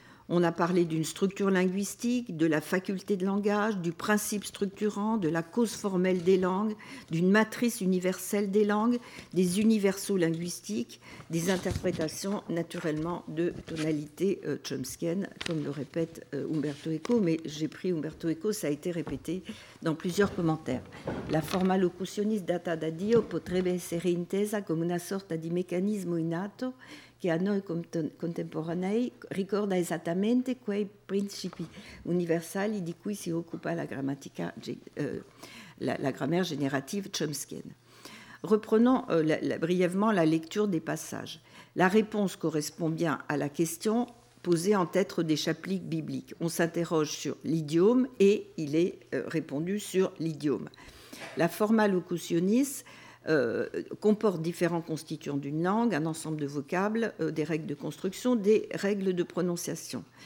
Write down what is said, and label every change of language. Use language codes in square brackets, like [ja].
[fr] On a parlé d'une structure linguistique, de la faculté de langage, du principe structurant, de la cause formelle des langues, d'une matrice universelle des langues, des universaux linguistiques, des interprétations naturellement de tonalité chomskienne, comme le répète Umberto Eco, mais j'ai pris Umberto Eco, ça a été répété dans plusieurs commentaires. [it] La forma locutionis data da Dio potrebbe essere intesa come una sorta di meccanismo innato che a noi contemporanei ricorda esattamente quei principi universali di cui si occupa la [fr] grammaire générative chomskienne. Reprenons brièvement la lecture des passages. La réponse correspond bien à la question posée en tête des chapitres bibliques. On s'interroge sur l'idiome et il est répondu sur l'idiome. La forma locutionis comporte différents constituants d'une langue, un ensemble de vocables, des règles de construction, des règles de prononciation.